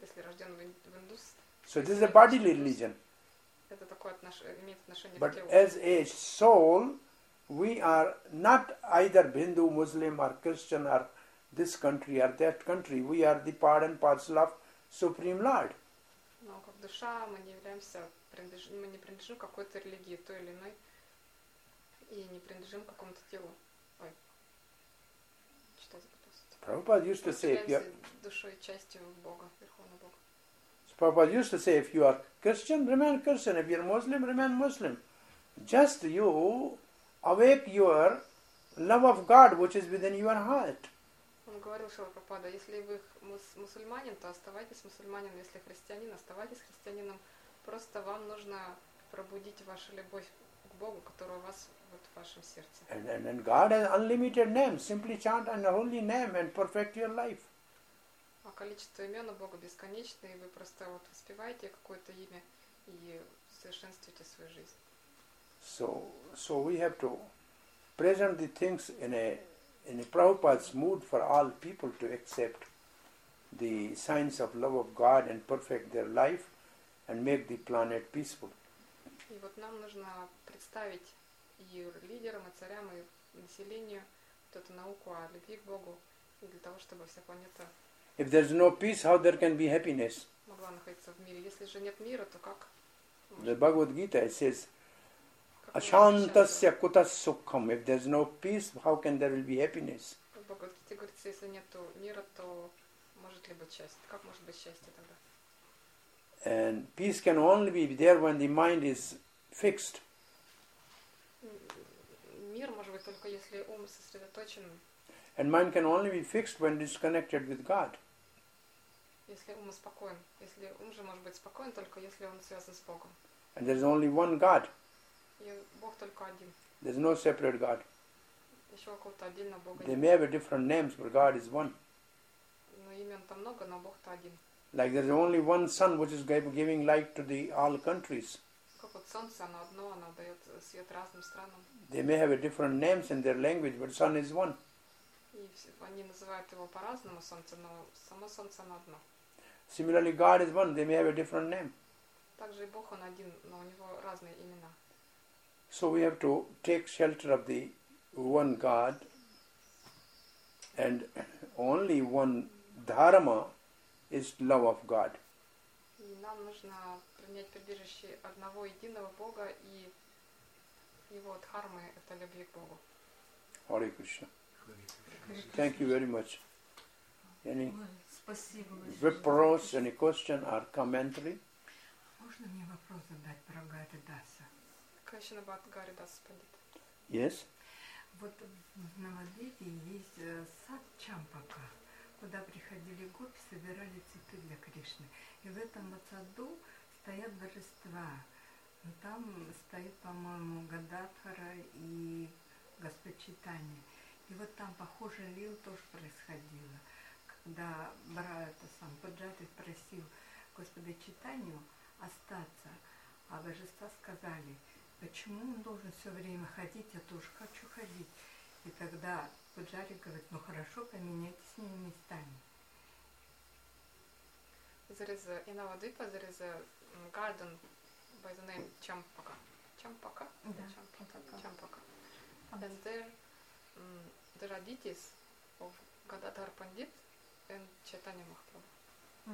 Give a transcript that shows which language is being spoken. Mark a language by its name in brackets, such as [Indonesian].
[Russian] Если рожден в индус... [English] So this is a bodily religion. [Russian] Это такое имеет отношение к телу. [English] But as a soul... we are not either Hindu, Muslim, or Christian, or this country, or that country. We are the part and parcel of Supreme Lord. [Russian] Но как душа мы не являемся мы не принадлежим какой-то религии той или иной и не принадлежим какому-то телу. Ой, что за пустое? [English] Prabhupada used to say, if you're [Russian] душой частью Бога, верховного Бога. [English] Prabhupada used to say, if you are Christian, remain Christian. If you're Muslim, remain Muslim. Just you. Awake your love of God, which is within your heart. [Russian] Он говорил, Шрила Прабхупада, если вы мусульманин, то оставайтесь мусульманином. Если христианин, оставайтесь христианином. Просто вам нужно пробудить вашу любовь к Богу, которая у вас вот в вашем сердце. [English] And God has unlimited names. Simply chant an holy name and perfect your life. [Russian] А количество имен у Бога бесконечно, и вы просто вот воспеваете какое-то имя и совершенствуете свою жизнь. [English] So we have to present the things in a Prabhupada's mood for all people to accept the signs of love of God and perfect their life and make the planet peaceful. [Russian] И вот нам нужно представить и лидерам, и царям, и населению вот эту науку о любви к Богу, для того, чтобы вся планета [English] If there's no peace, how there can be happiness? [Russian] Могла находиться в мире. Если же нет мира, то как? [English] The Bhagavad Gita says, [Sanskrit] Ашантасья кутас сукхам. [English] If there's no peace, how can there be happiness? [Russian] В Бхагавад Гите говорится, если нет мира, то может ли быть счастье? Как может быть счастье тогда? [English] And peace can only be there when the mind is fixed. [Russian] Мир может быть только если ум сосредоточен. [English] And mind can only be fixed when it's connected with God. [Russian] Если ум спокоен, если ум же может быть спокоен только если он связан с Богом. [English] And there's only one God. [Russian] И Бог только один. [English] There's no separate God. [Russian] Еще какого-то отдельного Бога. [English] They may have different names, but God is one. [Russian] Но имен-то много, но Бог-то один. [English] Like there's only one sun which is giving light to the all countries. [Russian] Как вот солнце, оно одно, оно дает свет разным странам. [English] They may have a different names in their language, but sun is one. [Russian] И все, они называют его по-разному солнце, но само солнце оно одно. [English] Similarly, God is one. They may have a different name. [Russian] Также и Бог он один, но у него разные имена. [English] So we have to take shelter of the one God and only one dharma. Is love of God. [Russian] И нам нужно принять прибежище одного единого Бога и его дхармы это любви к Богу. [English] Hare Krishna. Thank you very much. Any reproach, any question or commentary? [Russian] Можно мне вопрос задать про Гаридаса? [English] Question about Гаридаса Пандита. Yes. [Russian] Вот в Навадвипе есть сад Чампака. Куда приходили гопи, собирали цветы для Кришны. И в этом вот саду стоят божества. Там стоит, по-моему, Гададхара и Господь Чайтанья. И вот там, похоже, лил тоже происходило. Когда Паджати просил Господа Чайтанью остаться, а божества сказали, почему он должен все время ходить, я тоже хочу ходить. И тогда Пуджари говорит, ну хорошо, поменяйте с ними местами. [English] There is a in Navadvipa, there is a garden by the name Champaka. Champaka? Yeah. Champaka. Champaka. And there are deities of Gadadhar Pandit and Chaitanya Mahaprabhu.